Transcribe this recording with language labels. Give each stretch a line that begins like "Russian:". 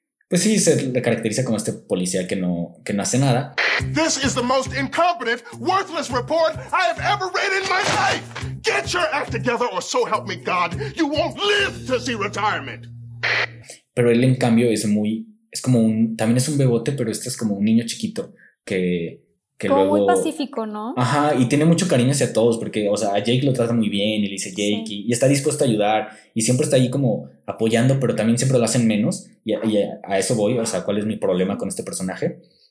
Spanish: Pues sí, se le caracteriza como este policía que no hace nada.
English: This is the most incompetent, worthless report I have ever read in my life. Get your act together or so help me God, you won't live to see retirement.
Spanish: Pero él en cambio también es un bebote, pero este es como un niño chiquito que como luego, muy pacífico, ¿no? Ajá, y tiene mucho cariño hacia todos porque, o sea, a Jake lo trata muy bien y le dice Jake, sí. Y está dispuesto a ayudar y siempre está ahí como apoyando, pero también siempre lo hacen menos y a eso voy, o sea, ¿cuál es mi problema con este personaje?